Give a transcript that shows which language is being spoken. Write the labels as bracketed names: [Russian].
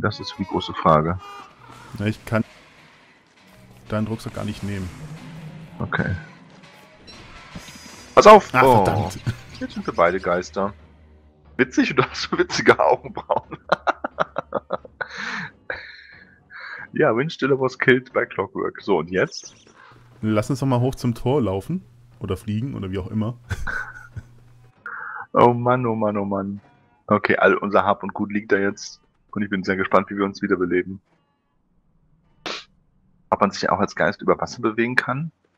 [German] Das ist die große Frage. Na, ich kann deinen Rucksack gar nicht nehmen. Okay. Pass auf! Ach, oh, verdammt. Jetzt sind wir beide Geister. Witzig, du hast so witzige Augenbrauen. [English] Ja, Windstiller was killed by Clockwork. [German] So, und jetzt? Lass uns doch mal hoch zum Tor laufen. Oder fliegen, oder wie auch immer. Oh Mann. Okay, all unser Hab und Gut liegt da jetzt. Und ich bin sehr gespannt, wie wir uns wiederbeleben. Ob man sich auch als Geist über Wasser bewegen kann?